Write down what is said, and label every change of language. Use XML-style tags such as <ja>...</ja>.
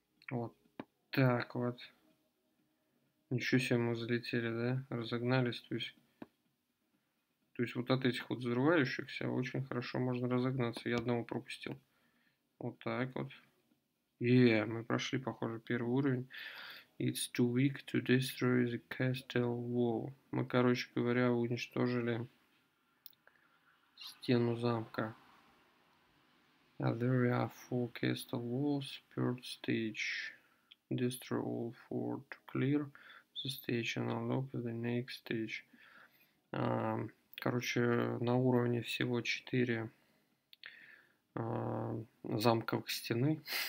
<ru>Вот так вот. Ничего себе мы залетели, да? Разогнались. То есть вот от этих вот взрывающихся очень хорошо можно разогнаться. Я одного пропустил. Вот так вот. Мы прошли, похоже, первый уровень.</ru> <en>It's too weak to destroy the castle wall.</en> <ru>Мы, короче говоря, уничтожили стену замка.</ru> <en>There are four castle walls per stage. Destroy all four to clear the stage and unlock the next stage.</en> <ru>Короче, на уровне всего 4 замковых стены.</ru>